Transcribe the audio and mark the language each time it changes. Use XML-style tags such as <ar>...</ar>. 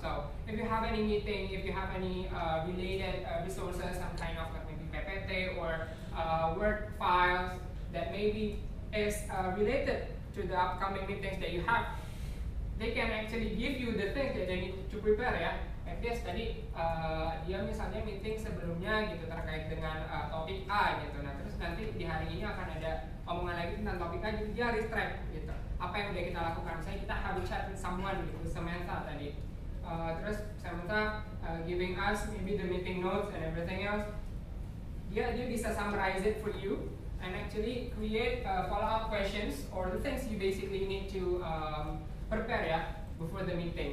<en>So if you have any meeting, if you have any related resources, some kind of like maybe PPT or Word files that maybe is related to the upcoming meetings that you have, they can actually give you the things that they need to prepare ya. Like this</en> <id>tadi dia misalnya meeting sebelumnya gitu terkait dengan topik A gitu. Nah terus nanti di hari ini akan ada omongan lagi tentang topik A, jadi dia harus track gitu apa yang udah kita lakukan. Misalnya kita</id> <en>have a chat with someone gitu, Samantha tadi,</en> <id>terus</id> <en>Samantha giving us maybe the meeting notes and everything else,</en> <id>dia bisa</id> <en>summarize it for you and actually create follow up questions or the things you basically need to prepare ya before the meeting.</en>